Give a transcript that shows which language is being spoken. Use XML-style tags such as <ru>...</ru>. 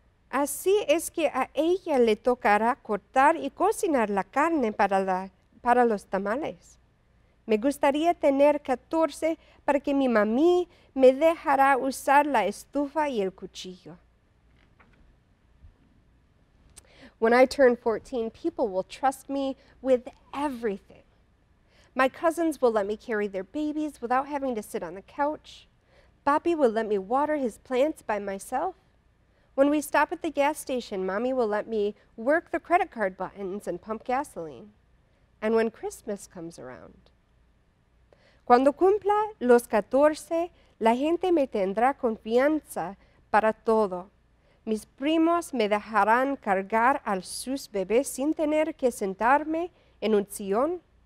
<es>Así es que a ella le tocará cortar y cocinar la carne para los tamales. Me gustaría tener 14 para que mi mami me dejara usar la estufa y el cuchillo.</es> <en>When I turn 14, people will trust me with everything. My cousins will let me carry their babies without having to sit on the couch. Papi will let me water his plants by myself. When we stop at the gas station, mommy will let me work the credit card buttons and pump gasoline. And when Christmas comes around.</en> <es>Cuando cumpla los 14, la gente me tendrá confianza para todo. Mis primos me dejarán cargar a sus bebés sin tener que sentarme en un sillón.</es>